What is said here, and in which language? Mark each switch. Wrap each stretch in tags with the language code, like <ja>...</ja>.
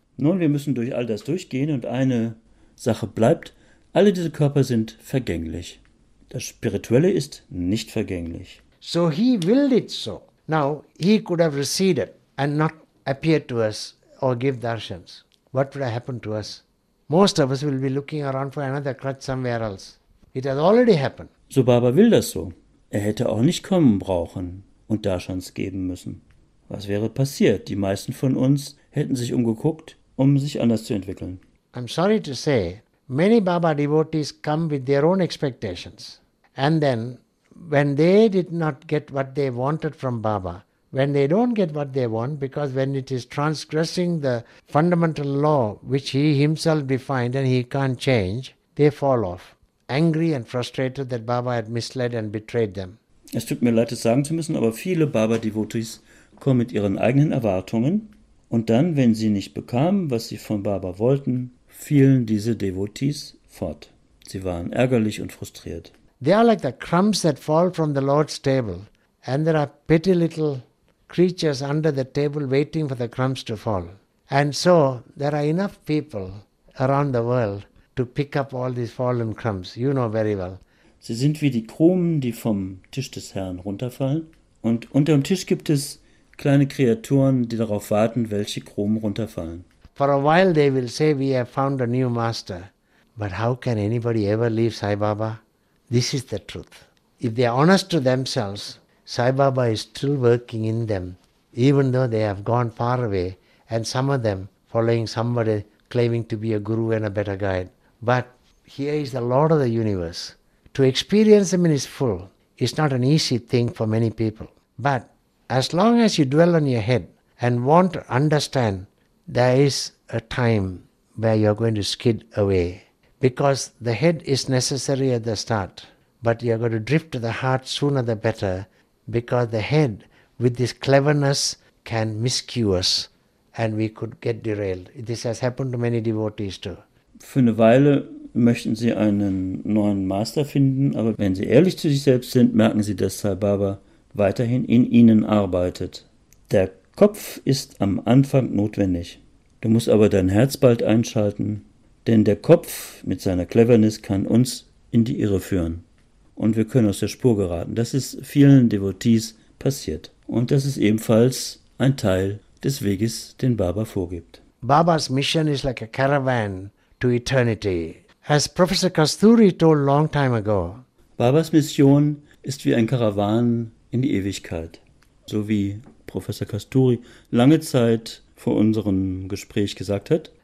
<de>Nun, wir müssen durch all das durchgehen und eine Sache bleibt, alle diese Körper sind vergänglich. Das Spirituelle ist nicht vergänglich.</de> <en>So he willed it so. Now, he could have receded and not appeared to us or give darshans. What would have happened to us? Most of us will be looking around for another crutch somewhere else. It has already happened.</en> <de>So Baba will das so. Er hätte auch nicht kommen brauchen und Darshans geben müssen. Was wäre passiert? Die meisten von uns hätten sich umgeguckt, um sich anders zu entwickeln.</de> <en>I'm sorry to say, many Baba devotees come with their own expectations. And then, when they did not get what they wanted from Baba, when they don't get what they want, because when it is transgressing the fundamental law which he himself defined and he can't change, they fall off, angry and frustrated that Baba had misled and betrayed them.</en> <de>Es tut mir leid, es sagen zu müssen, aber viele Baba devotees kommen mit ihren eigenen Erwartungen und dann, wenn sie nicht bekamen, was sie von Baba wollten, fielen diese Devotees fort. Sie waren ärgerlich und frustriert.</de> <en>They are like the crumbs that fall from the Lord's table, and there are petty little creatures under the table waiting for the crumbs to fall. And so there are enough people around the world to pick up all these fallen crumbs. You know very well.</en> <de>Sie sind wie die Krumen, die vom Tisch des Herrn runterfallen, und unter dem Tisch gibt es kleine Kreaturen, die darauf warten, welche Krumen runterfallen.</de> <en>For a while they will say, we have found a new master. But how can anybody ever leave Sai Baba? This is the truth. If they are honest to themselves, Sai Baba is still working in them, even though they have gone far away, and some of them following somebody claiming to be a guru and a better guide. But here is the Lord of the universe. To experience him in his full is not an easy thing for many people. But as long as you dwell on your head and want to understand, there is a time where you are going to skid away. Because the head is necessary at the start, but you are going to drift to the heart sooner the better, because the head, with this cleverness, can miscue us and we could get derailed. This has happened to many devotees too.</en> <de>Für eine Weile möchten Sie einen neuen Master finden, aber wenn Sie ehrlich zu sich selbst sind, merken Sie, dass Sai Baba weiterhin in Ihnen arbeitet. Der Kopf ist am Anfang notwendig. Du musst aber dein Herz bald einschalten, denn der Kopf mit seiner Cleverness kann uns in die Irre führen. Und wir können aus der Spur geraten. Das ist vielen Devotees passiert. Und das ist ebenfalls ein Teil des Weges, den Baba vorgibt.</de> <en>Baba's mission is like a caravan to eternity. As Professor Kasturi told long time ago.</en> <de>Babas Mission ist wie ein Karawan in die Ewigkeit. So wie Professor Kasturi lange Zeit vor unserem Gespräch gesagt hat.</de>